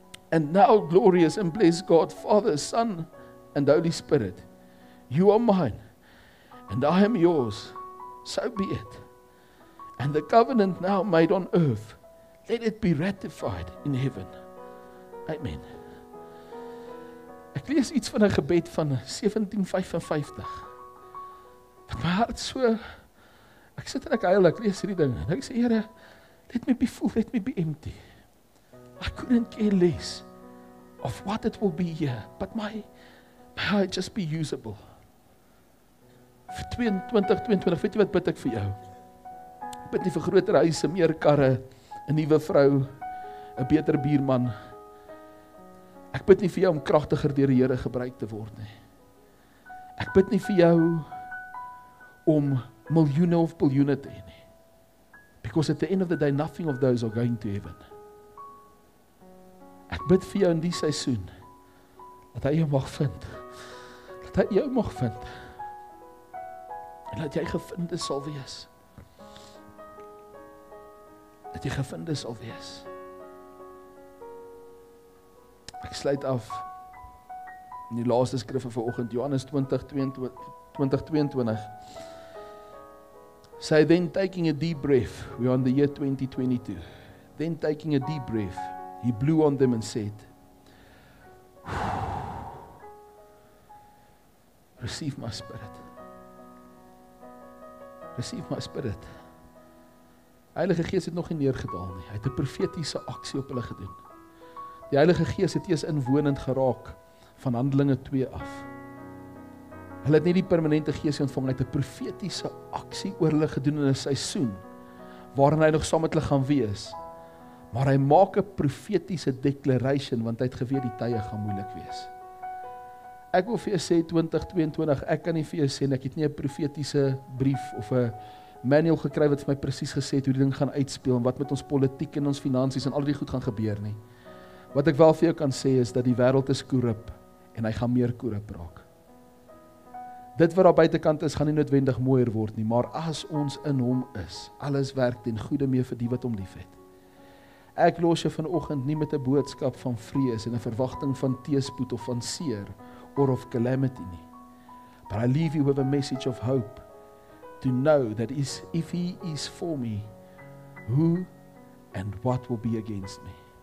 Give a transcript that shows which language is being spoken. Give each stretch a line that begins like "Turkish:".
English: And now, glorious and blessed God, Father, Son, and Holy Spirit, you are mine and I am yours. So be it. And the covenant now made on earth, let it be ratified in heaven. Amen.
Afrikaans: Ek lees iets van 'n gebed van 1755. Wat my hart so... Ek sit en ek huil, ek lees hierdie ding. En ek sê, Here,
English: let me be full, let me be empty. I couldn't care less of what it will be here. But my heart just be usable.
Afrikaans: Vir 2022, weet jy wat bid ek vir jou? Bid nie vir groter huise, meer karre, 'n nuwe vrou, 'n beter buurman. Ek bid nie vir jou om kragtiger deur die Here gebruik te word nie. Ek bid nie vir jou om miljoene of biljoene te hê.
English: Because at the end of the day, nothing of those are going to heaven.
Afrikaans: Ek bid vir jou in die seisoen, dat hy jou mag vind. Dat hy jou mag vind. En dat jy gevinde sal wees. Dat jy gevinde sal wees. Ek sluit af in die laaste skrifte vir oggend, Johannes 20:22.
English: Say, then taking a deep breath, we are in the year 2022. Then taking a deep breath, he blew on them and said, receive my spirit. Receive my spirit.
Afrikaans: Heilige Gees het nog nie neergedaal nie. Hy het 'n profetiese aksie op hulle gedoen. Die Heilige Gees het eers inwonend geraak van Handelinge 2 af. Hulle het nie die permanente gees ontvang, hulle het 'n profetiese aksie oor hulle gedoen in 'n seisoen waarin hy nog saam met hulle gaan wees. Maar hy maak 'n profetiese declaration, want hy het geweet die tye gaan moeilik wees. Ek wil vir jou sê 2022, ek kan nie vir jou sê, ek het nie 'n profetiese brief of 'n manual gekry wat vir my presies gesê het hoe die ding gaan uitspeel en wat met ons politiek en ons finansies en al die goed gaan gebeur nie. Wat ek wel vir jou kan sê is dat die wêreld is korrup en hy gaan meer korrup raak. Dit wat daar buitekant is, gaan nie noodwendig mooier word nie, maar as ons in hom is, alles werk ten goede mee vir die wat hom lief het. Ek los jou vanoggend nie met 'n boodskap van vrees en 'n verwagting van teespoed of van seer of calamity nie.
English: But I leave you with a message of hope to know that is, if he is for me, who and what will be against me?